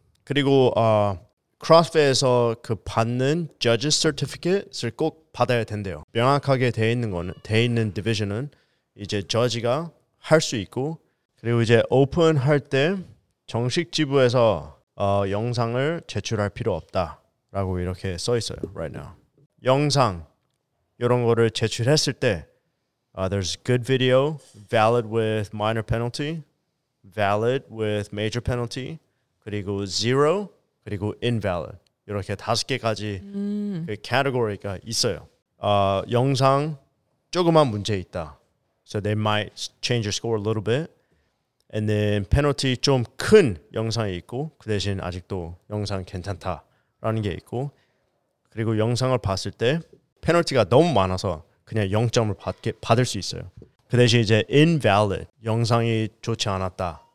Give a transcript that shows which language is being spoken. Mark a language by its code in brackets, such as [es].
[ko] 그리고 CrossFit에서 그 받는 Judges Certificate를 꼭 받아야 된대요. 명확하게 돼 있는 거는 돼 있는 디비전은 이제 저지가 할 수 있고 그리고 이제 오픈 할 때 정식 지부에서 영상을 제출할 필요 없다라고 이렇게 써 있어요. [en] Right now. [ko] 영상 이런 거를 제출했을 때 [en] there's good video, valid with minor penalty, valid with major penalty, 그리고 zero, 그리고 invalid. [ko] 이렇게 다섯 개까지 그 category가 있어요. 영상 조그만 문제 있다. [en] So they might change your score a little bit. [ko] And then penalty 좀 큰 영상이 있고 그 대신 아직도 영상 괜찮다라는 게 있고 그리고 영상을 봤을 때 penalty가 너무 많아서 그냥 0점을 받을 수 있어요. 그 대신 이제 invalid 영상이 좋지 않았다.